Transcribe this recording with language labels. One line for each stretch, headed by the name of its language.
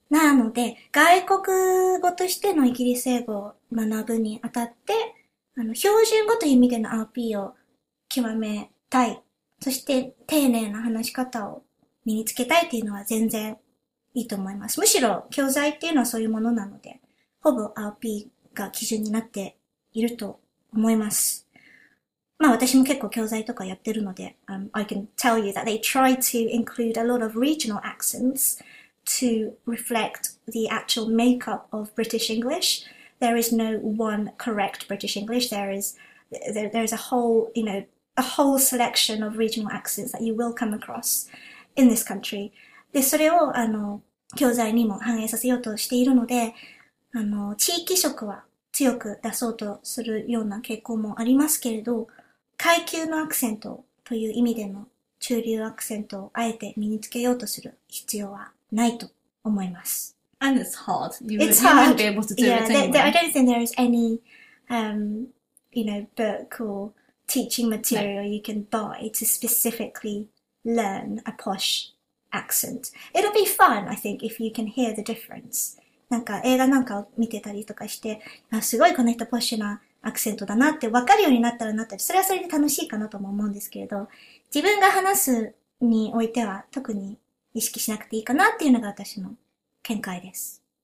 Japanese: なので、外国語としてのイギリス英語を学ぶにあたって、標準語という意味での RP を極めたい。そして、丁寧な話し方を身につけたいっていうのは全然いいと思います。むしろ、教材っていうのはそういうものなので、ほぼ RP が基準になっていると思います。まあ私も結構教材とかやってるので、
English: I can tell you that they try to include a lot of regional accents to reflect the actual makeup of British English. There is no one correct British English. There is a whole, you know, a whole selection of regional accents that you will come across in this country.
Japanese: で、それを、教材にも反映させようとしているので、地域色は強く出そうとするような傾向もありますけれど、階級のアクセントという意味での中流アクセントをあえて身につけようとする必要はないと思います。
English: And it's hard. You won't be able to do it anyway. I don't think there is any, you know, book or teaching material you can buy to specifically learn a posh accent. It'll be fun, I think, if you can hear the difference.
Japanese: なんか映画なんかを見てたりとかして、あ、すごいこの人ポッシュなアクセントだなって分かるようになったらなったり、それはそれで楽しいかなとも思うんですけれど、自分が話すにおいては特に意識しなくていいかなっていうのが私の見解です。